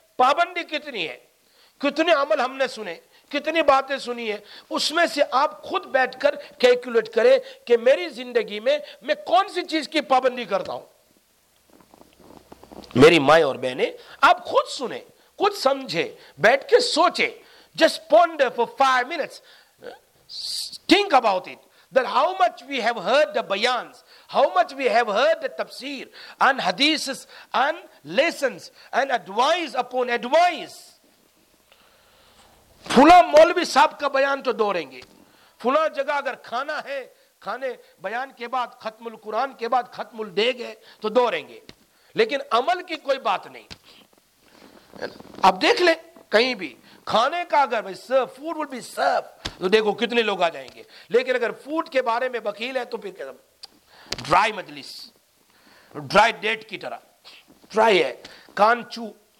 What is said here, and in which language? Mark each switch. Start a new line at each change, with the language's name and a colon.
Urdu: پابندی کتنی ہے، کتنے عمل ہم نے سنے، کتنی باتیں سنی ہے، اس میں سے آپ خود بیٹھ کر کیلکولیٹ کریں کہ میری زندگی میں کون سی چیز کی پابندی کرتا ہوں. میری مائیں اور بہنیں، آپ خود سنیں، خود سمجھیں، بیٹھ کے سوچیں.
English: Just ponder for 5 minutes, think about it, that how much we have heard the bayans, how much we have heard the tafsir and hadiths and lessons and advice upon advice.
Urdu: فلاں مولوی صاحب کا بیان تو دوڑیں گے، فلاں جگہ اگر کھانا ہے، کھانے بیان کے بعد، ختم القرآن کے بعد ختم الدیگ ہے تو دوڑیں گے، لیکن عمل کی کوئی بات نہیں. اب دیکھ لیں کہیں بھی کھانے کا اگر
English: food will be serve
Urdu: تو دیکھو کتنے لوگ آ جائیں گے، لیکن اگر فوڈ کے بارے میں بکیل ہے تو پھر ڈرائی مجلس، ڈرائی ڈیٹ کی طرح ڈرائی ہے، کان چو.